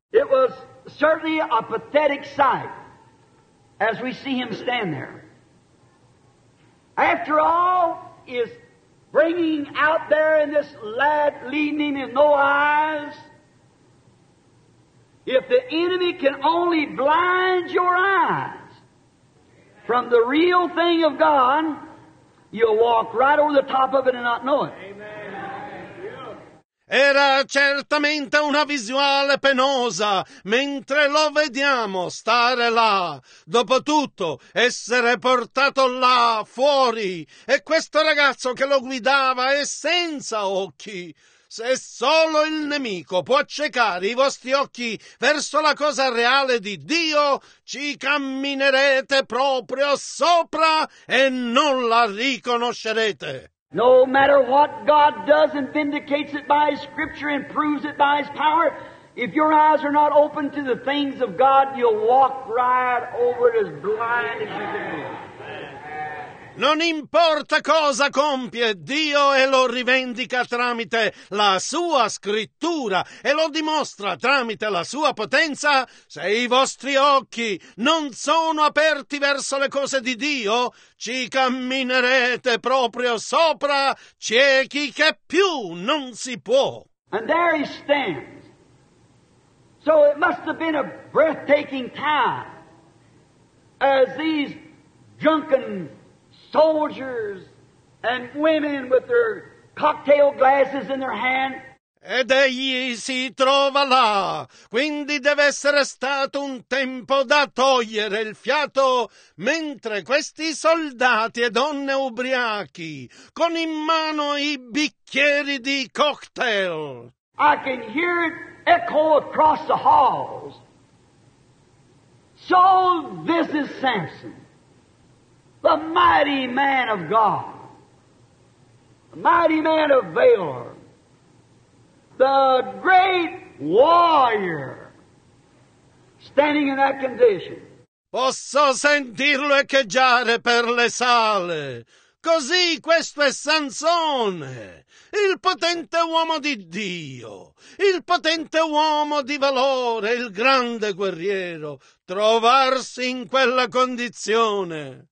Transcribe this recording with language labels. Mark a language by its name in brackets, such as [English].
[English] It was certainly a pathetic sight as we see him stand there. After all is bringing out there in this lad leading him in no eyes, if the enemy can only blind your eyes from the real thing of God, you'll walk right over the top of it and not know it. [Italian] Era certamente una visuale penosa, mentre lo vediamo stare là. Dopotutto, essere portato là fuori, e questo ragazzo che lo guidava è senza occhi. Se solo il nemico può accecare i vostri occhi verso la cosa reale di Dio, ci camminerete proprio sopra e non la riconoscerete. [English] No matter what God does and vindicates it by His Scripture and proves it by His power, if your eyes are not open to the things of God, you'll walk right over it as blind as you can be. [Italian] Non importa cosa compie, Dio e lo rivendica tramite la sua scrittura e lo dimostra tramite la sua potenza. Se i vostri occhi non sono aperti verso le cose di Dio, ci camminerete proprio sopra ciechi che più non si può. [English] And there he stands. So it must have been a breathtaking time as these drunken soldiers and women with their cocktail glasses in their hand. [Italian] Ed egli si trova là, quindi deve essere stato un tempo da togliere il fiato, mentre questi soldati e donne ubriachi con in mano i bicchieri di cocktail. [English] I can hear it echo across the halls. So this is Samson. The mighty man of God, the mighty man of valor, the great warrior, standing in that condition. [Italian] Posso sentirlo echeggiare per le sale. Così questo è Sansone, il potente uomo di Dio, il potente uomo di valore, il grande guerriero, trovarsi in quella condizione.